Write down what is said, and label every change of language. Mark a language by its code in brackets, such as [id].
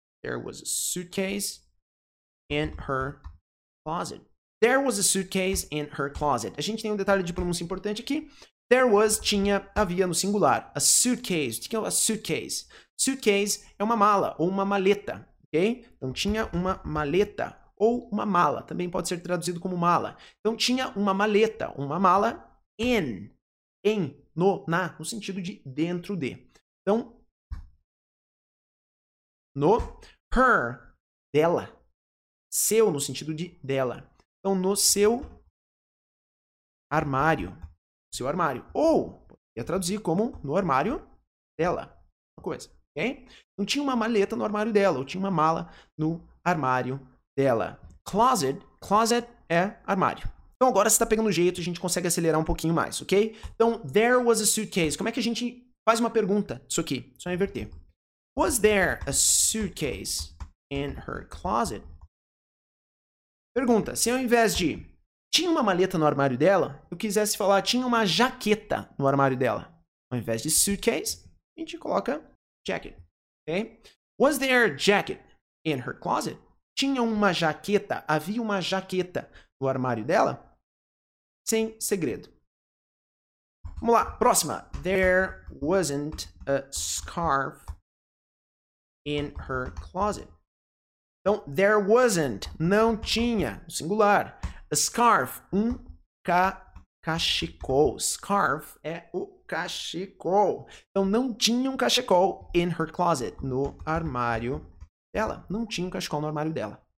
[en] There was a suitcase in her closet. There was a suitcase in her closet. [pt] A gente tem um detalhe de pronúncia importante aqui. [en] There was, [pt] tinha, havia no singular. [en] A suitcase. [pt] O que é a suitcase? Suitcase é uma mala ou uma maleta, ok? Então, tinha uma maleta ou uma mala. Também pode ser traduzido como mala. Então, tinha uma maleta, uma mala in. Em, no, na, no sentido de dentro de. Então, no, her, dela. Seu, no sentido de dela. Então, no seu armário. Seu armário. Ou, ia traduzir como no armário dela. Uma coisa, ok? Não tinha uma maleta no armário dela. Ou tinha uma mala no armário dela. Closet. Closet é armário. Então, agora você está pegando jeito, a gente consegue acelerar um pouquinho mais, ok? [en] Então, there was a suitcase. [pt] Como é que a gente faz uma pergunta disso aqui? Só inverter. [en] Was there a suitcase in her closet? [pt] Pergunta, se ao invés de tinha uma maleta no armário dela, eu quisesse falar tinha uma jaqueta no armário dela. Ao invés de suitcase, a gente coloca jacket, ok? [en] Was there a jacket in her closet? [pt] Tinha uma jaqueta, havia uma jaqueta no armário dela? Sem segredo. Vamos lá, próxima. [en] There wasn't a scarf in her closet. [pt] Então, [en] there wasn't, [pt] não tinha, singular, a scarf, um cachecol. Scarf é o cachecol. Então, não tinha um cachecol [en] in her closet, [pt] no armário dela. Não tinha um cachecol no armário dela.